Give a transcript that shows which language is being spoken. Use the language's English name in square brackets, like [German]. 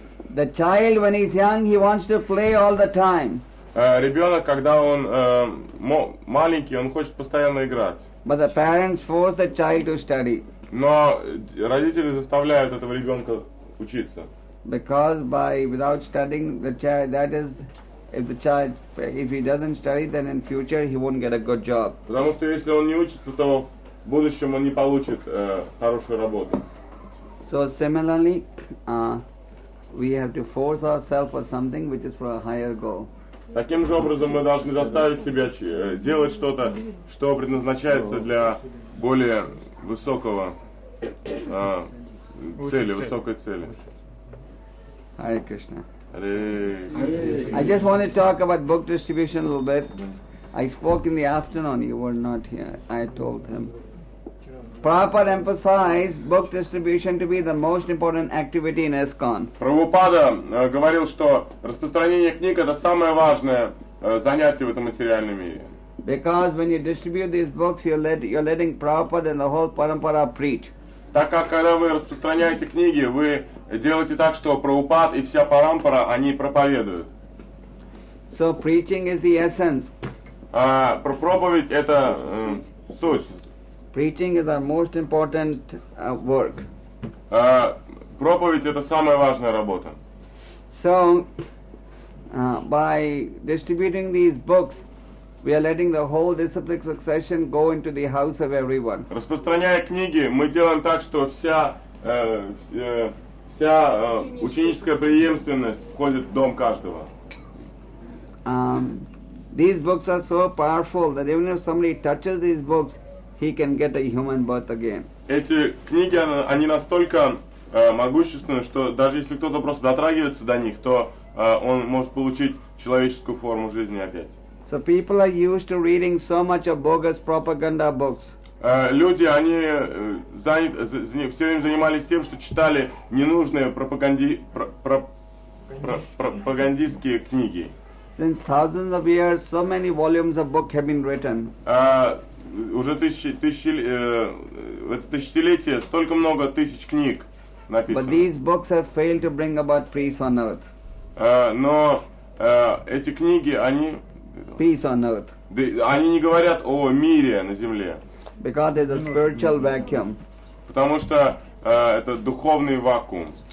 [English] The child, when he's young, he wants to play all the time. [Russian] Ребенок, когда он маленький, он хочет постоянно играть. [English] But the parents force the child to study. [Russian] Но родители заставляют этого ребенка учиться. [English] Because by without studying the child, that is, if the child, if he doesn't study, then in future he won't get a good job. [Russian] Потому что если он не учится, то в будущем он не получит хорошую работу. [English] So similarly, we have to force ourselves for something which is for a higher goal. [Russian] Таким же образом мы должны заставить себя делать что-то, что предназначается для более высокого цели, высокой цели. [English] Hare Krishna. I just want to talk about book distribution a little bit. I spoke in the afternoon, you were not here, I told him. Prabhupada emphasized book distribution to be the most important activity in ISKCON. [Russian] Prabhupada говорил, что распространение книг это самое важное занятие в этом материальном мире. [English] Because when you distribute these books, you're letting Prabhupada and the whole parampara preach. [Russian] Так как когда вы распространяете книги, вы делаете так, что Прабхупад и вся парампара они проповедуют. [English] So preaching is the essence. [Russian] Проповедь это суть. [English] Preaching is our most important work. [Russian] Проповедь это самая важная работа. [English] So by distributing these books, we are letting the whole disciplic succession go into the house of everyone. [Russian] Распространяя книги, мы делаем так, что вся ученическая преемственность входит в дом каждого. [English] These books are so powerful that even if somebody touches these books, he can get a human birth again. [Russian] Эти книги они настолько могущественны, что даже если кто-то просто дотрагивается до них, то он может получить человеческую форму жизни опять. [English] So people are used to reading so much of bogus propaganda books. [Russian] Люди они все время занимались тем, что читали ненужные пропагандистские книги. [English] Since thousands of years, so many volumes of books have been written. [Russian] Уже тысячелетия столько много тысяч книг написано. [English] But these books have failed to bring about peace on earth. [Russian] Эти книги они [English] peace on earth. [Russian] Они не говорят о мире на земле. [English] Because there's a spiritual vacuum. [Russian] Потому что это духовный вакуум.